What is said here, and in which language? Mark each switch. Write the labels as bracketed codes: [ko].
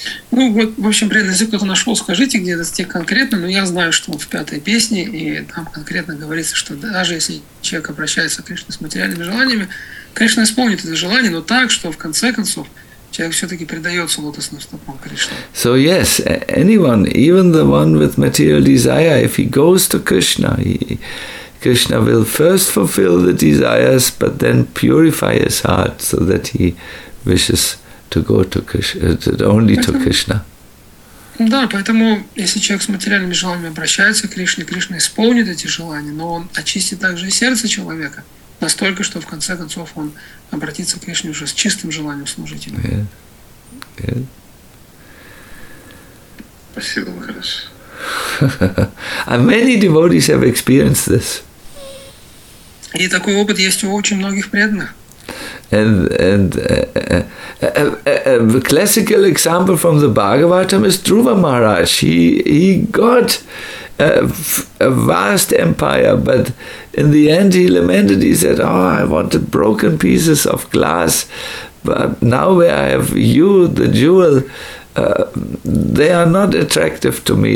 [ru] Ну вот, в общем, преданный, если кто-то нашел, скажите, где этот стих конкретно, но я знаю, что он в пятой песне, и там конкретно говорится, что даже если человек обращается к Кришне с материальными желаниями, Кришна исполнит это желание, но так, что в конце концов человек все-таки предается лотосным стопам Кришны. [en] So yes, anyone, even the one with material desire, if he goes to Krishna, Krishna will first fulfill the desires, but then purify his heart so that he wishes to go to Krishna, only to Krishna. [ru] Да, поэтому если человек с материальными желаниями обращается к Кришне, Кришна исполнит эти желания, но он очистит также и сердце человека. Настолько, что в конце концов он обратится к Кришне уже с чистым желанием служить ему. Спасибо, Махараш. [en] And many devotees have experienced this. [ru] И такой опыт есть у очень многих преданных. [en] And a classical example from the Bhagavatam is Dhruva Maharaj. He got a vast empire, but in the end he lamented. He said, "Oh, I wanted broken pieces of glass, but now where I have you, the jewel, they are not attractive to me.